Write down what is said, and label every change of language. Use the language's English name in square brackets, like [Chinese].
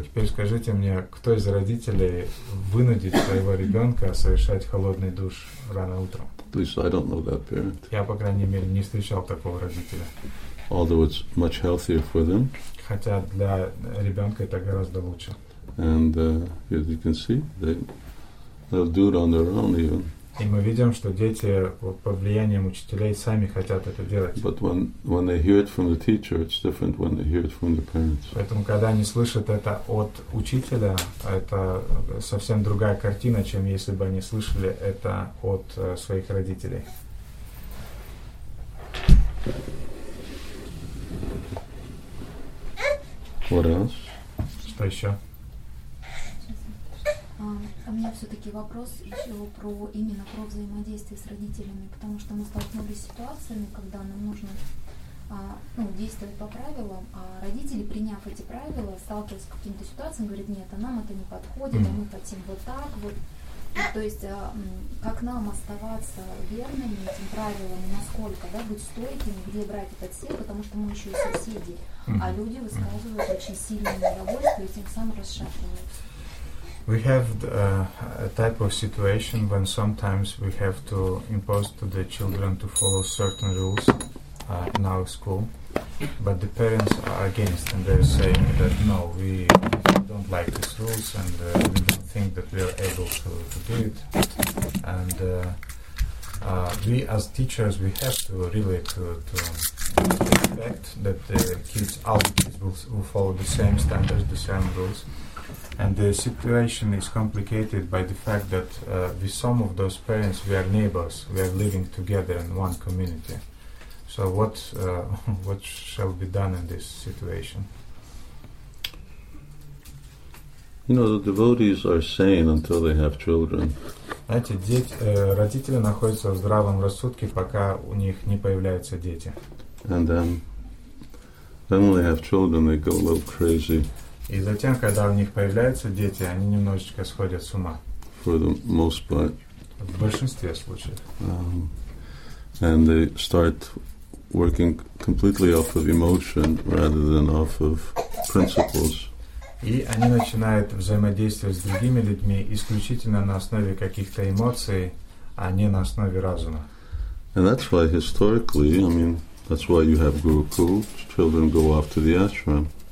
[Russian] Теперь скажите мне, кто из родителей вынудит своего ребенка совершать холодный душ рано утром? [English] At least I don't know that parent. [Russian] Я, по крайней мере, не встречал такого родителя. [English] Although it's much healthier for them. [Russian] Хотя для ребенка это гораздо лучше. [English] And as you can see, they'll do it on their own even. [Russian] И мы видим, что дети под влиянием учителей сами хотят это делать. [English] But when they hear it from the teacher, it's different when they hear it from the parents. [Russian] Поэтому, когда они слышат это от учителя, это совсем другая картина, чем если бы они слышали это от своих родителей. [English] What else? [Russian] Что еще? У меня все-таки вопрос еще про именно про взаимодействие с родителями, потому что мы столкнулись с ситуациями, когда нам нужно действовать по правилам, а родители, приняв эти правила, сталкиваются с какими-то ситуациями, говорят, нет, а нам это не подходит, а мы хотим вот так вот. И, то есть как нам оставаться верными этим правилам, насколько, да, быть стойкими, где брать этот сил, потому что мы еще и соседи, а люди высказывают очень сильное недовольство и тем самым расшатываются. [English] We have a type of situation when sometimes we have to impose to the children to follow certain rules in our school, but the parents are against and they're saying that no, we don't like these rules and we don't think that we are able to do it. And we as teachers, we have to really to expect that the kids, all the kids will follow the same standards, the same rules. And the situation is complicated by the fact that with some of those parents, we are neighbors. We are living together in one community. So what shall be done in this situation? You know, the devotees are sane until they have children. [Russian] Знаете, родители находятся в здравом рассудке, пока у них не появляются дети. [English] And then when they have children, they go a little crazy. [Russian] И затем, когда у них появляются дети, они немножечко сходят с ума. [English] For the most part. [Russian] В большинстве случаев. [English] And they start working completely off of emotion rather than off of principles. [Russian] И они начинают взаимодействовать с другими людьми исключительно на основе каких-то эмоций, а не на основе разума. [English] And that's why historically, I mean, that's why you have Gurukul, children go off to the ashram.